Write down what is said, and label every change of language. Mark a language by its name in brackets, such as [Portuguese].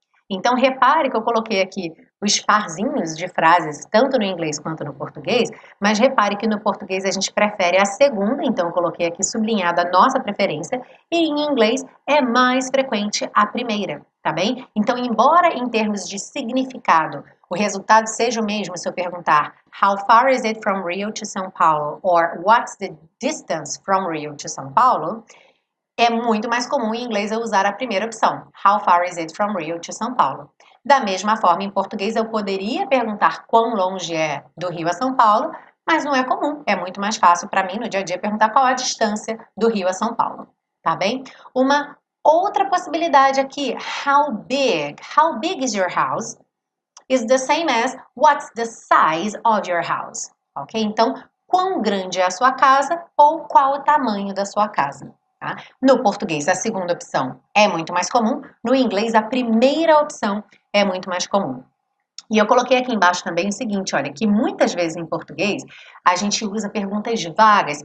[Portuguese] Então, repare que eu coloquei aqui os parzinhos de frases, tanto no inglês quanto no português, mas repare que no português a gente prefere a segunda, então eu coloquei aqui sublinhada a nossa preferência, e em inglês é mais frequente a primeira, tá bem? Então, embora em termos de significado o resultado seja o mesmo se eu perguntar [English] How far is it from Rio to São Paulo? Or what's the distance from Rio to São Paulo? [Portuguese] É muito mais comum em inglês eu usar a primeira opção. [English] How far is it from Rio to São Paulo? [Portuguese] Da mesma forma, em português eu poderia perguntar quão longe é do Rio a São Paulo, mas não é comum. É muito mais fácil para mim no dia a dia perguntar qual a distância do Rio a São Paulo. Tá bem? Uma outra possibilidade aqui. [English] How big is your house? Is the same as what's the size of your house? Ok? [Portuguese] Então, quão grande é a sua casa ou qual o tamanho da sua casa? Tá? No português, a segunda opção é muito mais comum. No inglês, a primeira opção é muito mais comum. E eu coloquei aqui embaixo também o seguinte, olha, que muitas vezes em português a gente usa perguntas vagas.